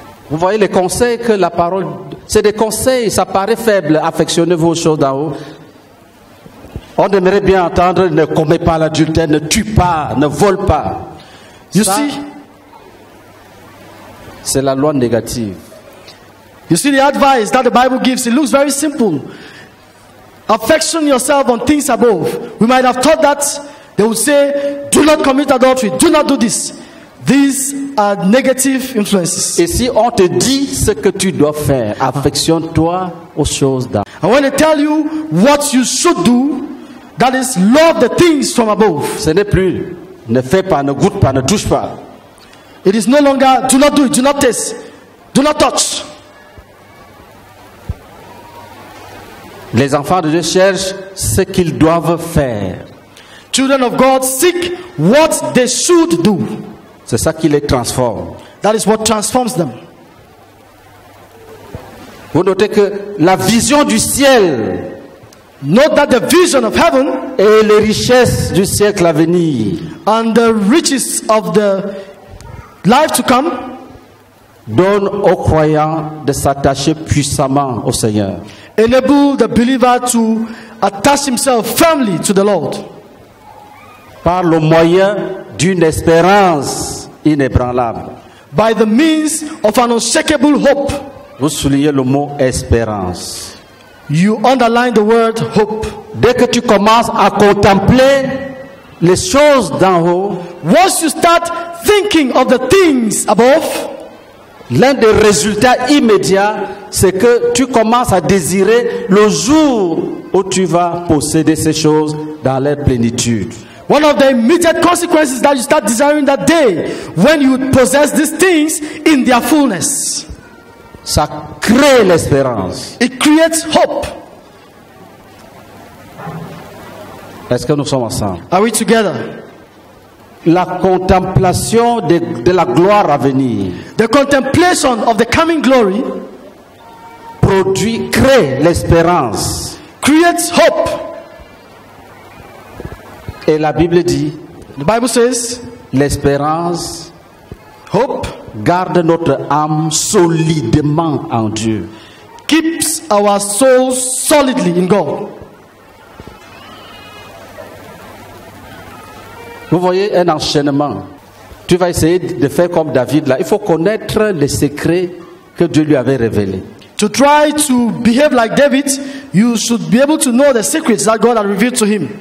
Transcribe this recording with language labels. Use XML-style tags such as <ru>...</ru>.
<fr>Vous voyez les conseils que la parole, c'est des conseils, ça paraît faible, affectionnez vos choses d'en haut. On aimerait bien entendre, ne commets pas l'adultère, ne tue pas, ne vole pas.</fr> <en>You ça, see,</en> <fr>c'est la loi négative.</fr> <en>You see the advice that the Bible gives, it looks very simple. Affection yourself on things above. We might have thought that they would say, do not commit adultery, do not do this. These are negative influences.</en> <fr>Et si on te dit ce que tu dois faire, affectionne-toi aux choses d'en.</fr> <en>And when they tell you what you should do, that is love the things from above.</en> <fr>Ce n'est plus ne fais pas, ne goûte pas, ne touche pas.</fr> <en>It is no longer do not do it, do not taste, do not touch.</en> <fr>Les enfants de Dieu cherchent ce qu'ils doivent faire.</fr> <en>Children of God seek what they should do.</en> <fr>C'est ça qui les transforme.</fr> <en>That is what transforms them.</en> <fr>Vous notez que la vision du ciel,</fr> <en>note that the vision of heaven,</en> <fr>et les richesses du siècle à venir,</fr> <en>and the riches of the life to come,</en> <fr>donne aux croyants de s'attacher puissamment au Seigneur.</fr> <en>Enable the believer to attach himself firmly to the Lord.</en> <fr>Par le moyen d'une espérance inébranlable.</fr> <en>By the means of an unshakable hope.</en> <fr>Vous soulignez le mot espérance.</fr> <en>You underline the word hope.</en> <fr>Dès que tu commences à contempler les choses d'en haut,</fr> <en>once you start thinking of the things above,</en> <fr>l'un des résultats immédiats, c'est que tu commences à désirer le jour où tu vas posséder ces choses dans leur plénitude.</fr> <en>One of the immediate consequences that you start desiring that day when you possess these things in their fullness.</en> <fr>Ça crée l'espérance.</fr> <en>It creates hope.</en> <fr>Est-ce que nous sommes ensemble?</fr> <en>Are we together?</en> <fr>La contemplation de la gloire à venir.</fr> <en>The contemplation of the coming glory</en> <fr>produit, crée l'espérance.</fr> <en>Creates hope.</en> <fr>Et la Bible dit,</fr> <en>the Bible says,</en> <fr>l'espérance,</fr> <en>hope,</en> <fr>garde notre âme solidement en Dieu.</fr> <en>Keeps our souls solidly in God.</en> <fr>Vous voyez un enchaînement. Tu vas essayer de faire comme David là. Il faut connaître les secrets que Dieu lui avait révélés.</fr> <en>To try to behave like David, You should be able to know the secrets that God has revealed to him.</en>